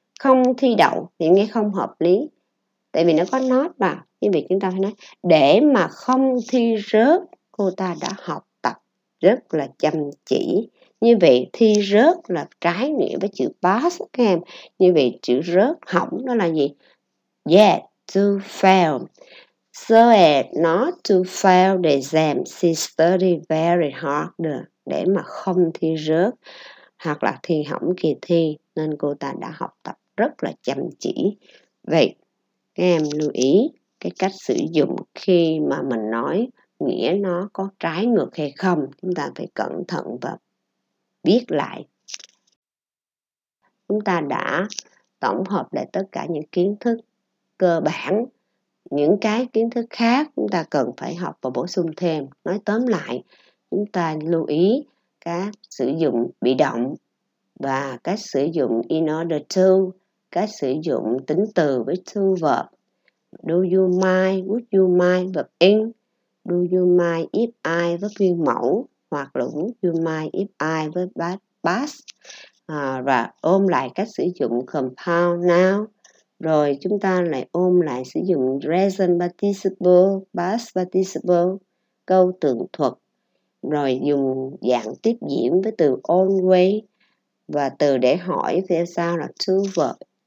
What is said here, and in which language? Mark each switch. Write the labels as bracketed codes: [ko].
[vi] Không thi đậu thì nghe không hợp lý. Tại vì nó có not mà. Như vậy chúng ta phải nói để mà không thi rớt, cô ta đã học tập rất là chăm chỉ. Như vậy thi rớt là trái nghĩa với chữ pass các em. Như vậy chữ rớt hỏng nó là gì? [en] Yeah, to fail. So as not to fail the exam, she studied very hard. [vi] Để mà không thi rớt hoặc là thi hỏng kỳ thi nên cô ta đã học tập rất là chăm chỉ. Vậy các em lưu ý cái cách sử dụng khi mà mình nói nghĩa nó có trái ngược hay không, chúng ta phải cẩn thận và viết lại. Chúng ta đã tổng hợp lại tất cả những kiến thức cơ bản, những cái kiến thức khác chúng ta cần phải học và bổ sung thêm. Nói tóm lại, chúng ta lưu ý cách sử dụng bị động và cách sử dụng in order to, cách sử dụng tính từ với to verb. [en] Do you mind, would you mind, verb in. Do you mind, if I, verb nguyên mẫu. [vi] hoặc là would you mind if I với pass và ôm lại cách sử dụng compound noun. Rồi chúng ta lại ôm lại sử dụng present participle, past participle, câu tường thuật. Rồi dùng dạng tiếp diễn với từ always và từ để hỏi theo sau là to verb.